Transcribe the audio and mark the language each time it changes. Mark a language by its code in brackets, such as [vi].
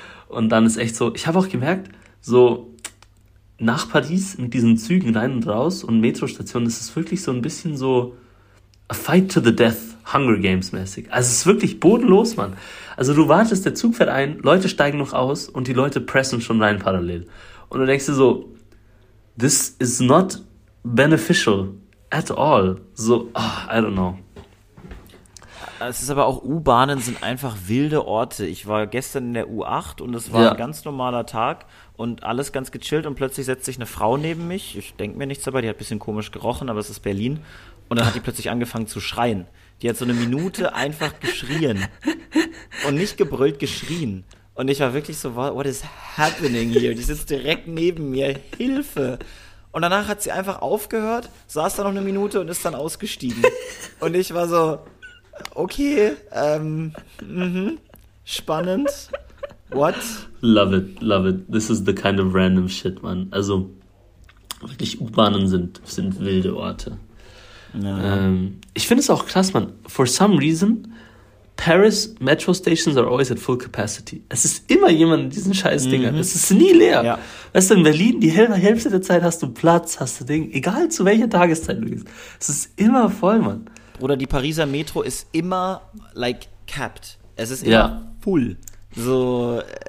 [de] Und dann ist echt so, ich habe auch gemerkt, so nach Paris mit diesen Zügen rein und raus und Metrostationen, das ist wirklich so ein bisschen so [en] a fight to the death, [de] Hunger Games mäßig. Also es ist wirklich bodenlos, Mann. Also du wartest, der Zug fährt ein, Leute steigen noch aus und die Leute pressen schon rein parallel. Und du denkst dir so, [en] this is not beneficial at all. So, oh, I don't know. [de] Es ist aber auch, U-Bahnen sind einfach wilde Orte. Ich war gestern in der U8 und es war ein ganz normaler Tag und alles ganz gechillt und plötzlich setzt sich eine Frau neben mich. Ich denke mir nichts dabei, die hat ein bisschen komisch gerochen, aber es ist Berlin. Und dann hat die plötzlich angefangen zu schreien. Die hat so eine Minute einfach geschrien. Und nicht gebrüllt, geschrien. Und ich war wirklich so, [en] what is happening here? [de] Die sitzt direkt neben mir. Hilfe! Und danach hat sie einfach aufgehört, saß da noch eine Minute und ist dann ausgestiegen. Und ich war so, okay, spannend. [en] What? Love it, love it. This is the kind of random shit, man. [de] Also, wirklich, U-Bahnen sind wilde Orte. No. Ich finde es auch krass, man. [en] For some reason, Paris Metro Stations are always at full capacity. [de] Es ist immer jemand in diesen scheiß Dingern. Mm-hmm. Es ist nie leer. Ja. Weißt du, in Berlin, die Hälfte der Zeit hast du Platz, hast du Ding. Egal zu welcher Tageszeit du gehst. Es ist immer voll, man. Bruder, die Pariser Metro ist immer, like, capped. Es ist immer full. So.